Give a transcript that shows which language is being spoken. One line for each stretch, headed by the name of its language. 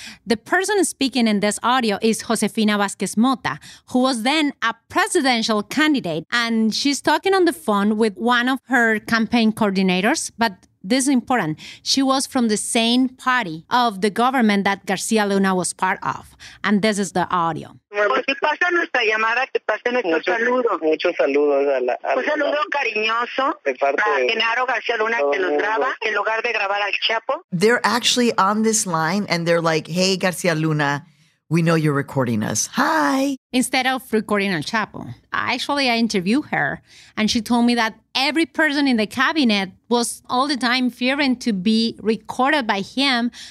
English: The person speaking in this audio is Josefina Vázquez Mota, who was then a presidential candidate. And she's talking on the phone with one of her campaign coordinators. But this is important. She was from the same party of the government that García Luna was part of. And this is the audio.
Spanish: Pues si pasa nuestra llamada, que pasen nuestros saludos. Muchos saludos un saludo cariñoso para Genaro García Luna que nos graba en lugar de grabar al Chapo.
English: They're actually on this line and they're like, hey, García Luna, we know you're recording us. Hi. Instead of recording El Chapo, actually, I interviewed her and she told me that every person in the cabinet was all the time fearing to be recorded by him.